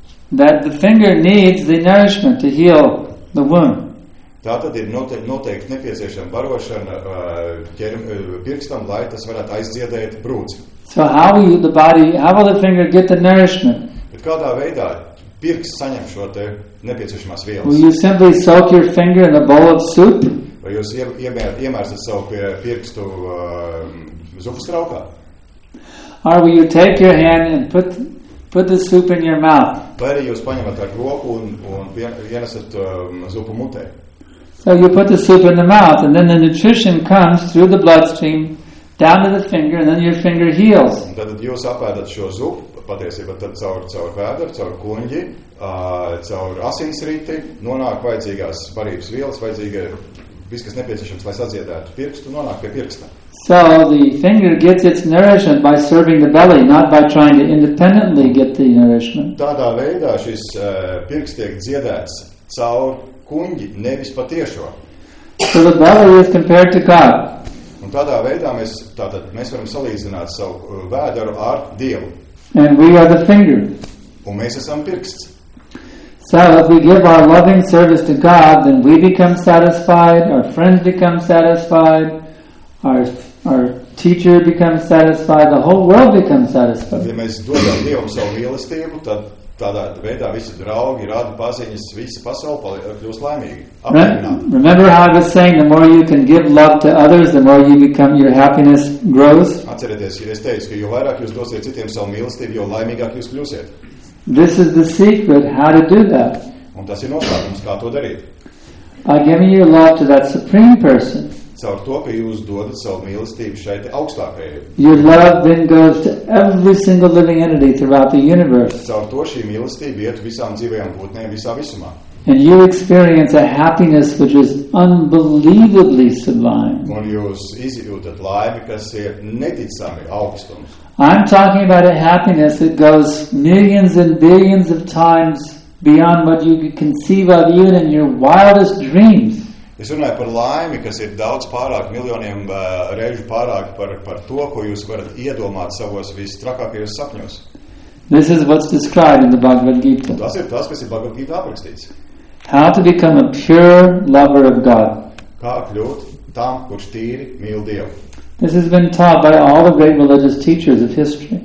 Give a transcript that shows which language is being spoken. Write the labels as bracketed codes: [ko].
[en] That the finger needs the nourishment to heal the wound. [lv] Tā tad ir noteikti nepieciešama barošana pirkstam, lai tas varētu aizdziedēt brūci. [en] So how will the finger get the nourishment? [lv] Bet kādā veidā pirksts saņem šo te nepieciešamās vielas? [en] Will you simply soak your finger in a bowl of soup? [lv] Vai jūs iemērsat savu pirkstu zupas traukā? [en] Or will you take your hand and put the soup in your mouth? [lv] Vai arī jūs paņemat ar roku un ienesat zupu mutē? [en] So you put the soup in the mouth and then the nutrition comes through the bloodstream down to the finger and then your finger heals. [lv] Tad jūs apēdat šo zupu, patiesībā tad caur vēderu, caur kuņģi, caur asinsriti, nonāk vajadzīgās varības vielas, vajadzīgā viss, kas nepieciešams, lai sadziedētu pirkstu, nonāk pie pirksta. [en] So the finger gets its nourishment by serving the belly, not by trying to independently get the nourishment. [lv] Tādā veidā šis pirksts tiek dziedēts caur kuņģi, nevis patiešo. [en] So the belly is compared to God. [lv] Un tādā veidā mēs varam salīdzināt savu vēderu ar Dievu. [en] And we are the finger. [lv] Un mēs esam pirksts. [en] So if we give our loving service to God, then we become satisfied, our friends become satisfied, our teacher becomes satisfied, the whole world becomes satisfied. [lv] Ja mēs dodam Dievam savu mīlestību, tad tādā veidā visi draugi, rada paziņas, visi pasauli kļūst laimīgi. [en] Remember how I was saying, the more you can give love to others, the more you become, your happiness grows? [lv] Atcerieties, ja es teicu, ka jo vairāk jūs dosiet citiem savu mīlestību, jo laimīgāk jūs kļūsiet. [en] This is the secret how to do that. [lv] Un tas ir noslēpums, kā to darīt. [en] By giving your love to that supreme person. [lv] Caur to, ka jūs dodat savu mīlestību šeit augstākajai. [en] Your love then goes to every single living entity throughout the universe. [lv] Caur to šī mīlestība iet visām dzīvajām būtnēm visā visumā. [en] And you experience a happiness which is unbelievably sublime. [lv] Un jūs izjūtat laimi, kas ir neticami augstums. [en] I'm talking about a happiness that goes millions and billions of times beyond what you could conceive of even in your wildest dreams. [lv] Es runāju par laimi, kas ir daudz pārāk, miljoniem reižu pārāk par to, ko jūs varat iedomāt savos visstrakākajos sapņos. [en] This is what's described in the Bhagavad Gita. [lv] Tas ir tas, kas ir Bhagavad Gita aprakstīts. [en] How to become a pure lover of God. [lv] Kā kļūt tam, kurš tīri mīl Dievu. [en] This has been taught by all the great religious teachers of history.